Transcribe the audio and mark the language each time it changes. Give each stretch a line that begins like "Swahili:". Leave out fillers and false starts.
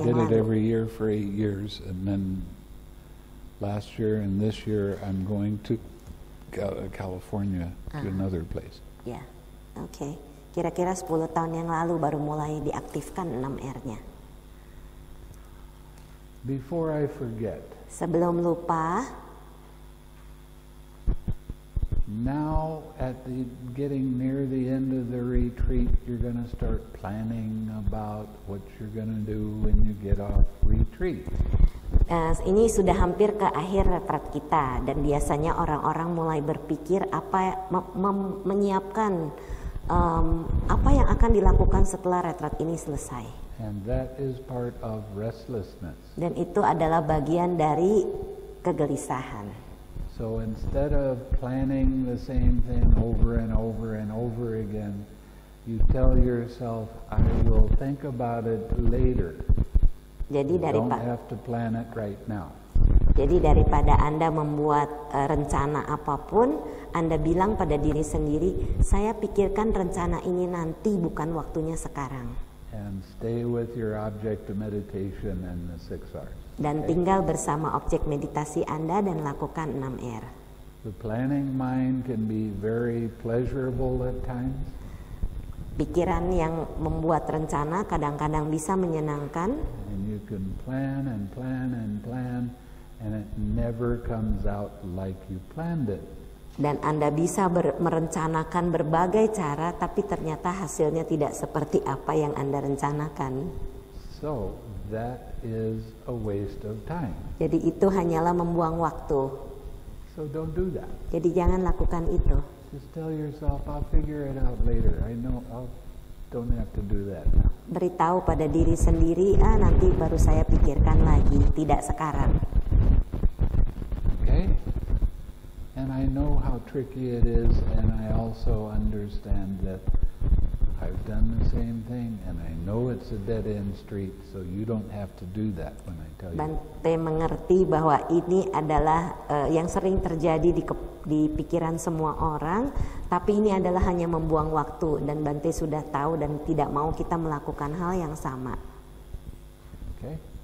English: I did it every year for 8 years, and then last year and this year I'm going to California to another place. Yeah, okay.
Indonesian: Kira-kira 10 tahun yang lalu baru mulai diaktifkan 6R-nya.
English: Before I forget.
Indonesian: Sebelum lupa.
English: Now, at the getting near the end of the retreat, you're going to start planning about what you're going to do when you get off retreat.
Indonesian: Ini sudah hampir ke akhir retret kita, dan biasanya orang-orang mulai berpikir apa menyiapkan apa yang akan dilakukan setelah retret ini selesai.
English: And that is part of restlessness.
Indonesian: Dan itu adalah bagian dari kegelisahan.
English: So instead of planning the same thing over and over and over again, you tell yourself, "I will think about it later."
Indonesian: Jadi daripada,
English: you don't have to plan it right now.
Indonesian: Jadi daripada Anda membuat rencana apapun, Anda bilang pada diri sendiri, "Saya pikirkan rencana ini nanti, bukan waktunya sekarang."
English: And stay with your object of meditation and the six R's.
Indonesian: Dan tinggal bersama objek meditasi Anda dan lakukan 6R.
English: The planning mind can be very pleasurable at times.
Indonesian: Pikiran yang membuat rencana kadang-kadang bisa menyenangkan.
English: And you can plan and plan and plan, and it never comes out like you planned it.
Indonesian: Dan Anda bisa merencanakan berbagai cara, tapi ternyata hasilnya tidak seperti apa yang Anda rencanakan.
English: So, that is a waste of time.
Indonesian: Jadi itu hanyalah membuang waktu.
English: So, don't do that.
Indonesian: Jadi jangan lakukan itu.
English: Just tell yourself, I'll figure it out later. I know I'll don't have to do that.
Indonesian: Beritahu pada diri sendiri, nanti baru saya pikirkan lagi, tidak sekarang.
English: Okay. And I know how tricky it is, and I also understand that I've done the same thing, and I know it's a dead end street, so you don't have to do that when I tell you.
Indonesian: Bhante mengerti bahwa ini adalah yang sering terjadi di pikiran semua orang, tapi ini adalah hanya membuang waktu, dan Bhante sudah tahu dan tidak mau kita melakukan hal yang sama.
English: Okay.